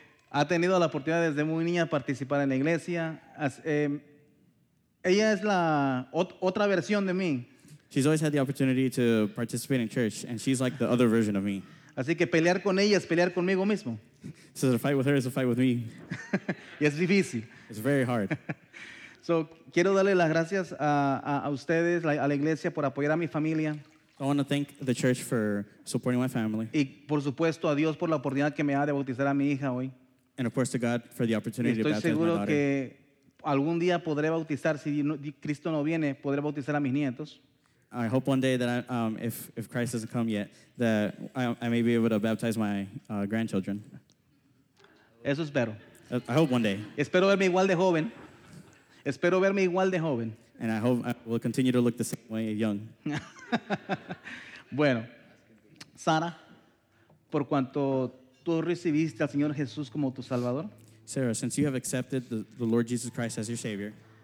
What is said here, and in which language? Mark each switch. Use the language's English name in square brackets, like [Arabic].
[Spanish] Ha tenido la oportunidad desde muy niña de participar en la iglesia. Ella es la otra versión de mí. [English] She's always had the opportunity to participate in church, and she's like the other version of me. [Spanish] Así que pelear con ella es pelear conmigo mismo. [English] So to fight with her is to fight with me. [Spanish] Y es difícil. [English] It's very hard. [Spanish] So quiero darle las gracias a ustedes, a la iglesia, por apoyar a mi familia. [English] I want to thank the church for supporting my family. [Spanish] Y por supuesto a Dios por la oportunidad que me da de bautizar a mi hija hoy. [English] And of course to God for the opportunity to baptize my daughter. [Spanish] Estoy seguro que algún día podré bautizar, si Cristo no viene, podré bautizar a mis nietos. [English] I hope one day that if Christ doesn't come yet, that I may be able to baptize my grandchildren. [Spanish] Eso espero. [English] I hope one day. [Spanish] Espero verme igual de joven. Espero verme igual de joven. [English] And I hope I will continue to look the same way young. [Spanish] Bueno, Sara, por cuanto tú recibiste al Señor Jesús como tu Salvador. [English] Sarah, since you have accepted the Lord Jesus Christ as your Savior.